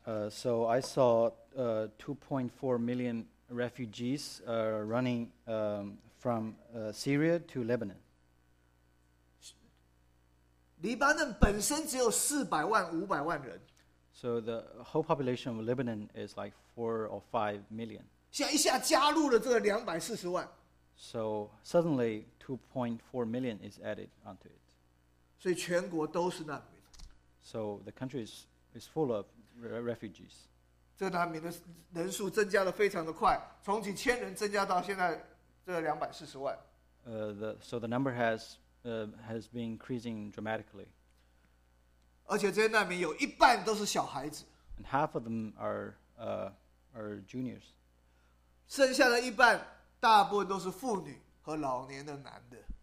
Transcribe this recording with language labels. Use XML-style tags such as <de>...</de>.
<en>So I saw 2.4 million refugees running from Syria to Lebanon.</en> <zh>黎巴嫩本身只有400万、500万人。</zh> <en>So the whole population of Lebanon is like 4 or 5 million.</en> <zh>现在一下加入了这个240万。</zh> <en>So suddenly 2.4 million is added onto it.</en> <zh>所以全国都是难民。</zh> <en>So the country is full of refugees.</en> <zh>这难民的人数增加了非常的快，从几千人增加到现在这240万。</zh> <en>So the number has been increasing dramatically.</en> <zh>而且这些难民有一半都是小孩子。</zh> <en>And half of them are juniors.</en> <zh>剩下的一半大部分都是妇女和老年的男的。</zh>